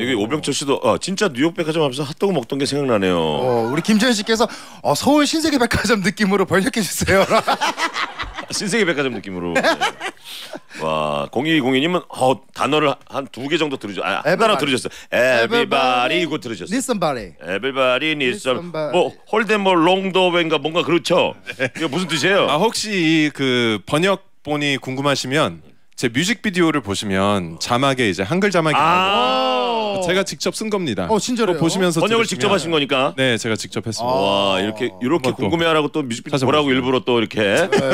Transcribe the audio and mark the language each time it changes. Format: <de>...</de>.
<ko>여기 오병철 씨도 진짜 뉴욕 백화점 앞에서 핫도그 먹던 게 생각나네요. 우리 김재현 씨께서 서울 신세계 백화점 느낌으로 번역해 주세요. 신세계 백화점 느낌으로. 예. 와, 0202님은 단어를 한두개 정도 들으셨어요. 한 단어 들으셨어요. Everybody 이거 들으셨어요.</ko> <en>Listen, buddy. Everybody, listen.</en> <ko>뭐</ko> <en>hold them all long the way</en> <ko>인가 뭔가 그렇죠. 이거 무슨 뜻이에요? 아, 혹시 그 번역본이 궁금하시면 제 뮤직비디오를 보시면 자막에 이제 한글 자막이 나오고 제가 직접 쓴 겁니다. 어, 진짜로 보시면서 번역을 직접 하신 거니까. 네, 제가 직접 했습니다. 와, 이렇게 궁금해하라고 또 뮤직비디오 보라고 일부러 또 이렇게.</ko>